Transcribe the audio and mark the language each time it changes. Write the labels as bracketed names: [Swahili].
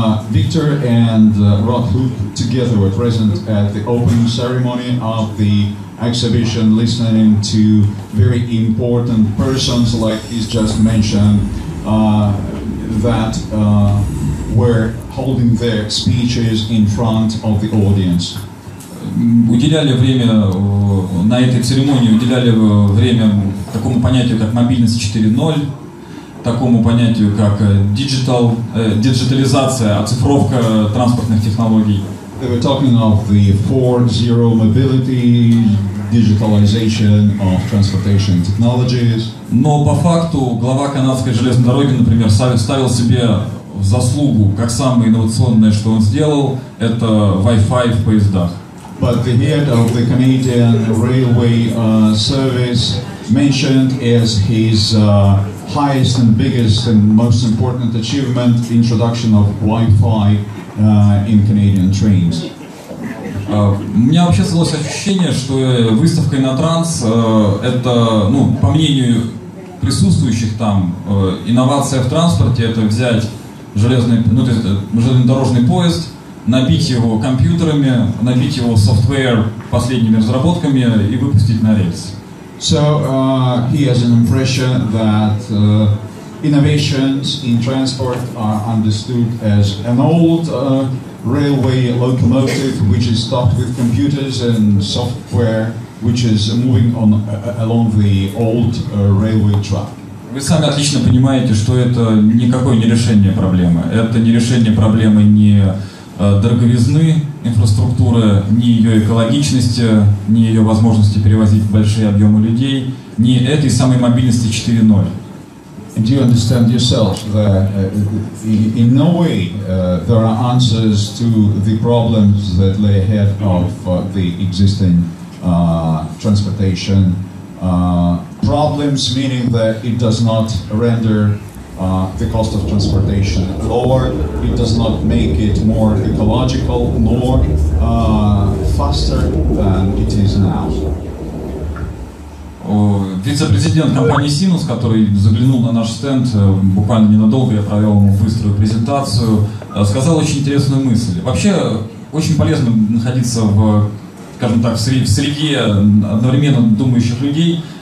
[English] Victor and Rod Hook together were present at the opening ceremony of the exhibition, listening to very important persons, like he's just mentioned, that were holding their speeches in front of the audience. [Russian] Уделяли время на этой церемонии, уделяли время такому понятию, как мобильность 4.0, такому понятию, как диджитализация, оцифровка транспортных технологий. [English] They were talking of the 4.0 mobility, digitalization of transportation technologies. [Russian] Но по факту глава канадской железной дороги, например, ставил себе в заслугу, как самое инновационное, что он сделал, это Wi-Fi в поездах. [English] But the head of the Canadian Railway Service mentioned as his highest and biggest and most important achievement the introduction of Wi-Fi in Canadian trains. [Russian] У меня вообще создалось ощущение, что выставка «Иннотранс» — это, ну, по мнению присутствующих там, инновация в транспорте — это взять железнодорожный поезд, набить его компьютерами, набить его софтвер последними разработками и выпустить на рельс. [English] So he has an impression that innovations in transport are understood as an old railway locomotive which is stocked with computers and software which is moving on along the old railway track. [Russian] Вы сами отлично понимаете, что это никакое не решение проблемы. Это не решение проблемы ни дороговизны инфраструктуры, ни ее экологичности, ни ее возможности перевозить большие объемы людей, ни этой самой мобильности 4.0. [English] And you understand yourself that in no way there are answers to the problems that lay ahead of the existing transportation problems, meaning that it does not render the cost of transportation lower, it does not make it more ecological, nor faster than it is now. [Russian] Вице-президент компании Siemens, который заглянул на наш стенд буквально ненадолго, я провел ему быструю презентацию, сказал очень интересную мысль. Вообще, очень полезно находиться в, скажем так, в среде одновременно думающих людей.